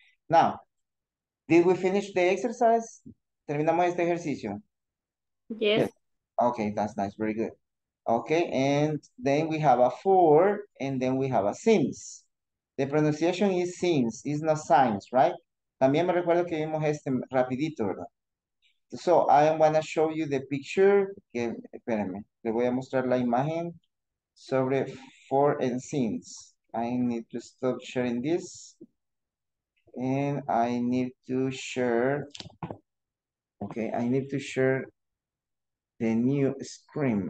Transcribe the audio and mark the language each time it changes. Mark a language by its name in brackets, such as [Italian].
[English] Now, did we finish the exercise? [Spanish] ¿Terminamos este ejercicio? [English] Yes. Yes. Okay, that's nice, very good. Okay, and then we have a for, and then we have a since. The pronunciation is since, it's not signs, right? [Spanish] También me recuerdo que vimos este rapidito, ¿verdad? [English] So, I want to show you the picture. [Spanish] Que, espérenme, le voy a mostrar la imagen sobre for and since. [English] I need to stop sharing this. And I need to share, okay, I need to share the new screen.